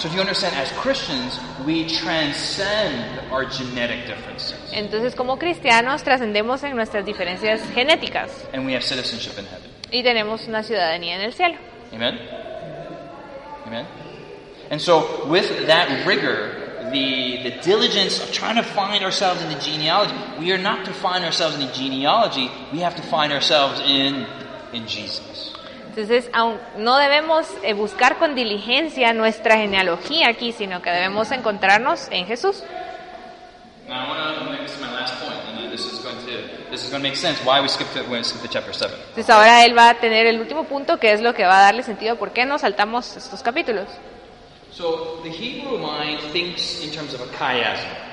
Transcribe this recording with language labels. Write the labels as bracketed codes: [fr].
[en] So if you understand, as Christians, we transcend our genetic differences. [es] Entonces, como cristianos, trascendemos en nuestras diferencias genéticas. [en] And we have citizenship in heaven. [es] Y tenemos una ciudadanía en el cielo. [en] Amen. Amen. And so, with that rigor, the diligence of trying to find ourselves in the genealogy. We are not to find ourselves in the genealogy. We have to find ourselves in Jesus. [es] Entonces, no debemos buscar con diligencia nuestra genealogía aquí, sino que debemos encontrarnos en Jesús. [en] Now, I want to make this my last point, and this is going to make sense why we skip to chapter 7. [es] Entonces, ahora él va a tener el último punto, que es lo que va a darle sentido por qué nos saltamos estos capítulos. [en] So, the Hebrew mind thinks in terms of a chiasm.